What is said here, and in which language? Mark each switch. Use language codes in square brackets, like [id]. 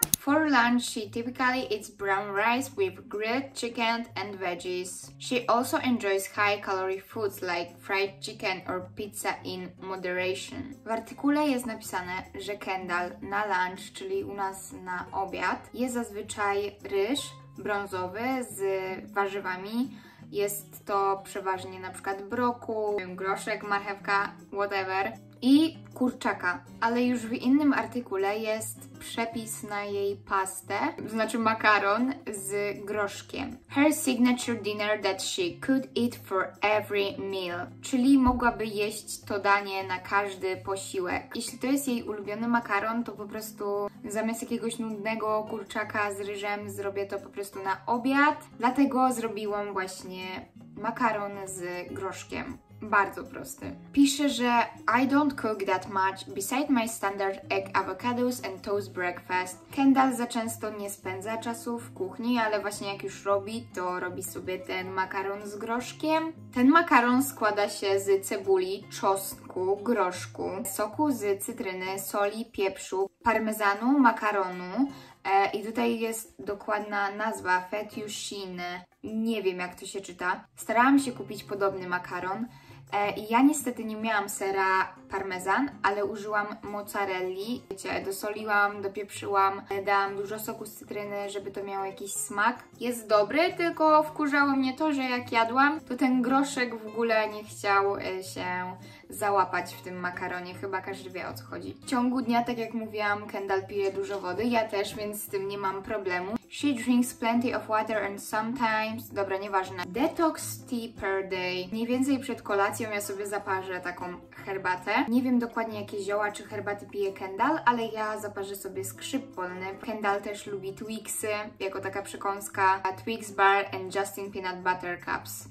[en] For lunch, she typically eats brown rice with grilled chicken and veggies. She also enjoys high-calorie foods like fried chicken or pizza in moderation. [pl] W artykule jest napisane, że Kendall na lunch, czyli u nas na obiad, je zazwyczaj ryż brązowy z warzywami. Jest to przeważnie na przykład brokuł, groszek, marchewka, whatever. I kurczaka, ale już w innym artykule jest przepis na jej pastę, znaczy makaron z groszkiem. [en] Her signature dinner that she could eat for every meal. [pl] Czyli mogłaby jeść to danie na każdy posiłek. Jeśli to jest jej ulubiony makaron, to po prostu zamiast jakiegoś nudnego kurczaka z ryżem zrobię to po prostu na obiad. Dlatego zrobiłam właśnie makaron z groszkiem. Bardzo prosty. Pisze, że [en] I don't cook that much beside my standard egg avocados and toast breakfast. [pl] Kendall za często nie spędza czasu w kuchni, ale właśnie jak już robi, to robi sobie ten makaron z groszkiem. Ten makaron składa się z cebuli, czosnku, groszku, soku z cytryny, soli, pieprzu, parmezanu, makaronu. I tutaj jest dokładna nazwa, fettuccine. Nie wiem, jak to się czyta. Starałam się kupić podobny makaron. Ja niestety nie miałam sera parmezan, ale użyłam mozzarelli. Wiecie, dosoliłam, dopieprzyłam, dałam dużo soku z cytryny, żeby to miało jakiś smak. Jest dobry, tylko wkurzało mnie to, że jak jadłam, to ten groszek w ogóle nie chciał się załapać w tym makaronie. Chyba każdy wie, o co chodzi. W ciągu dnia, tak jak mówiłam, Kendall pije dużo wody. Ja też, więc z tym nie mam problemu. [en] She drinks plenty of water and sometimes... [pl] Dobra, nieważne. [en] Detox tea per day. [pl] Mniej więcej przed kolacją ja sobie zaparzę taką herbatę. Nie wiem dokładnie, jakie zioła czy herbaty pije Kendall, ale ja zaparzę sobie skrzyp polny. Kendall też lubi Twixy jako taka przekąska. [en] Twix bar and Justin peanut butter cups.